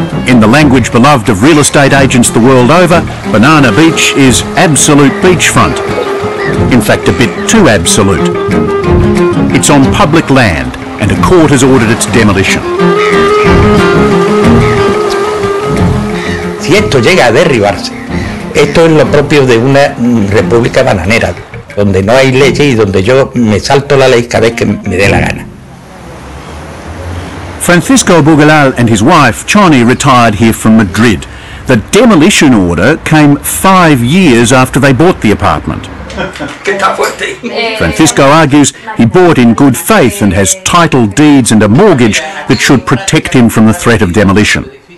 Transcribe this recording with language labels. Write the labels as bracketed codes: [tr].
[en] In the language beloved of real estate agents the world over, Banana Beach is absolute beachfront. In fact, a bit too absolute. It's on public land, and a court has ordered its demolition. [es] Si esto llega a derribarse, esto es lo propio de una república bananera. Donde no hay leyes y donde yo me salto la ley cada vez que me dé la gana. [en] Francisco Bugalal and his wife, Choni, retired here from Madrid. The demolition order came 5 years after they bought the apartment. Francisco argues he bought in good faith and has title deeds and a mortgage that should protect him from the threat of demolition.